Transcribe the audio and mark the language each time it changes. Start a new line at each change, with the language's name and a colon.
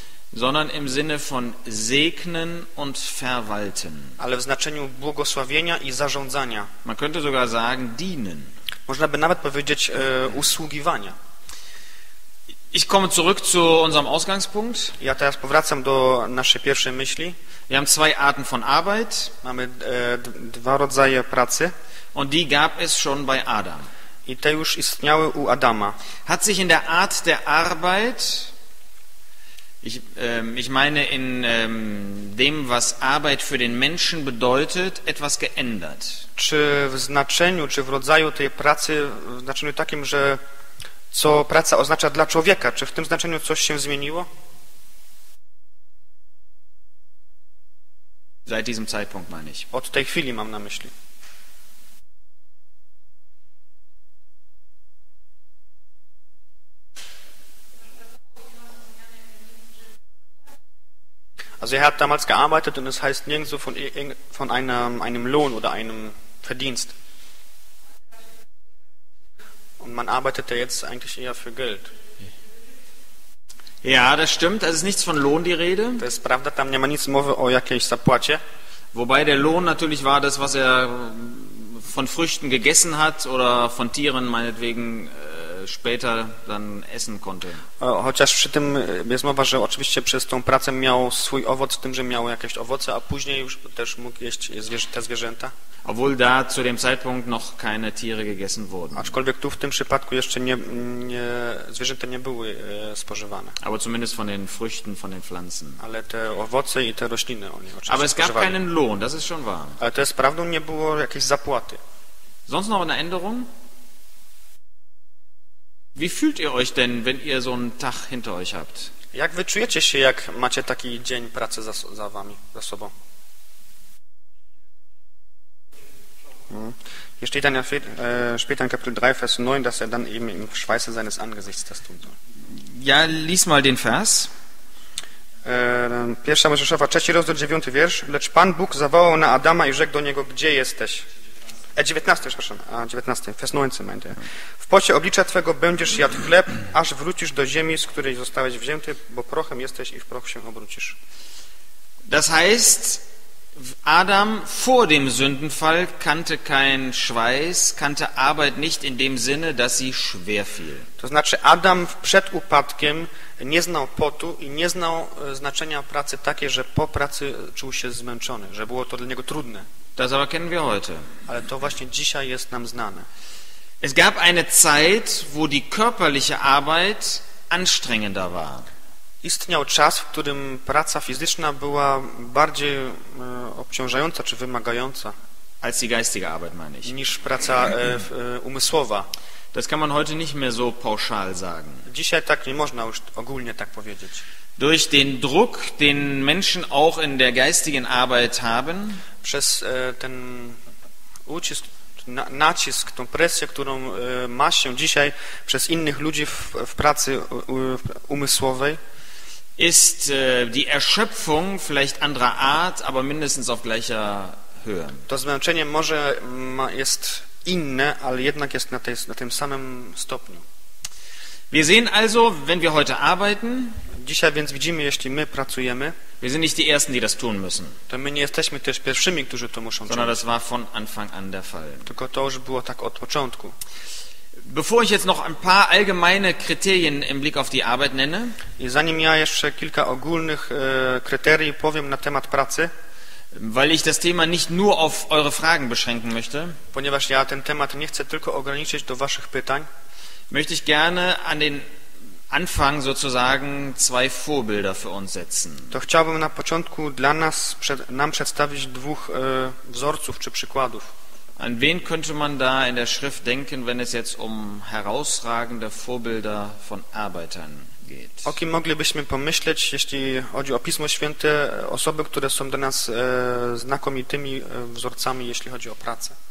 German: Sondern im Sinne von segnen und verwalten.
Polish: Ale w znaczeniu błogosławienia i zarządzania.
German: Man könnte sogar sagen dienen.
Polish: Można by nawet powiedzieć usługiwania.
German: Ich komme zurück zu unserem Ausgangspunkt.
Polish: Ja teraz powracam do naszej pierwszej myśli.
German: Wir haben zwei Arten von Arbeit.
Polish: Mamy dwa rodzaje pracy.
German: Und die gab es schon bei Adam.
Polish: I te już istniały u Adama.
German: Hat sich in der Art der Arbeit, ich meine in dem, was Arbeit für den Menschen bedeutet, etwas geändert?
Polish: Czy w znaczeniu, czy w rodzaju tej pracy, w znaczeniu takim, że co praca oznacza dla człowieka? Czy w tym znaczeniu coś się zmieniło?
German: Seit diesem Zeitpunkt meine ich.
Polish: Od tej chwili mam na myśli.
German: Also er hat damals gearbeitet und es heißt nirgendwo von einem Lohn oder einem Verdienst. Und man arbeitet ja jetzt eigentlich eher für Geld. Ja, das stimmt. Es ist nichts von Lohn die Rede. Das ist
Polish: prawda, tam nie ma nic mowy o jakiejś zapłacie.
German: Wobei der Lohn natürlich war das, was er von Früchten gegessen hat oder von Tieren meinetwegen später dann essen konnte.
Polish: Chociaż przy tym jest mowa, że oczywiście przez tą pracę miał swój owoc, tym, że miał jakieś owoce, a później już też mógł jeść te zwierzęta.
German: Obwohl da zu dem Zeitpunkt noch keine Tiere gegessen wurden.
Polish: Aczkolwiek tu w tym przypadku jeszcze nie zwierzęta nie były spożywane.
German: Aber zumindest von den Früchten, von den Pflanzen.
Polish: Ale te owoce i te rośliny oni oczywiście.
German: Aber es gab keinen Lohn, das ist schon wahr.
Polish: Ale to jest prawdą, nie było jakiejś zapłaty.
German: Sonst noch eine Änderung? Wie fühlt ihr euch denn, wenn ihr so einen Tag hinter euch habt?
Polish: Jak wy czujecie się, jak macie taki dzień pracy za wami, za sobą?
German: Hier steht dann ja später in Kapitel 3, Vers 9, dass er dann eben im Schweiße seines Angesichts das tun soll. Ja, lies mal den Vers.
Polish: Pierwsza Mojżeszowa, 3 rozdział, 9 wiersz. Lecz Pan Bóg zawołał na Adama i rzekł do niego, gdzie jesteś?
German: 19, Vers 19, meinte er.
Polish: W pocie oblicza twego będziesz jadł chleb, aż wrócisz do ziemi, z której zostałeś wzięty, bo prochem jesteś i w proch się obrócisz.
German: Das heißt, Adam vor dem Sündenfall kannte kein Schweiß, kannte Arbeit nicht in dem Sinne, dass sie schwer fiel.
Polish: To znaczy Adam przed upadkiem nie znał potu i nie znał znaczenia pracy takiej, że po pracy czuł się zmęczony, że było to dla niego trudne.
German: Das aber kennen wir heute.
Polish: Ale to właśnie dzisiaj jest nam znane.
German: Es gab eine Zeit, wo die körperliche Arbeit anstrengender war.
Polish: Istniał czas, w którym praca fizyczna była bardziej obciążająca czy wymagająca
German: als die geistige Arbeit, meine ich.
Polish: Niż praca umysłowa.
German: Das kann man heute nicht mehr so pauschal sagen.
Polish: Dzisiaj tak nie można już ogólnie tak powiedzieć.
German: Durch den Druck, den Menschen auch in der geistigen Arbeit haben,
Polish: przez ten ucisk, nacisk, tą presję, którą ma się dzisiaj przez innych ludzi w pracy umysłowej,
German: ist die Erschöpfung vielleicht anderer Art, aber mindestens auf gleicher Höhe.
Polish: To zmęczenie może jest inne, ale jednak jest na tym samym stopniu.
German: Wir sehen also, wenn wir heute arbeiten,
Polish: dzisiaj więc widzimy, jeśli my pracujemy,
German: wir sind nicht die Ersten, die das tun müssen,
Polish: to my nie jesteśmy też pierwszymi, którzy to muszą czynić,
German: sondern das war von Anfang an der Fall.
Polish: Tylko to już było tak od początku.
German: Bevor ich jetzt noch ein paar allgemeine Kriterien im Blick auf die Arbeit nenne,
Polish: i zanim ja jeszcze kilka ogólnych kryterii powiem na temat pracy,
German: weil ich das Thema nicht nur auf eure Fragen beschränken möchte,
Polish: ponieważ ja ten temat nie chcę tylko ograniczyć do waszych pytań,
German: möchte ich gerne an den Anfang sozusagen zwei Vorbilder für uns setzen.
Polish: To chciałbym na początku dla nas nam przedstawić dwóch wzorców czy przykładów.
German: An wen könnte man da in der Schrift denken, wenn es jetzt um herausragende Vorbilder von Arbeitern geht?
Polish: O kim moglibyśmy pomyśleć, jeśli chodzi o Pismo Święte, osoby, które są dla nas znakomitymi wzorcami, jeśli chodzi o pracę?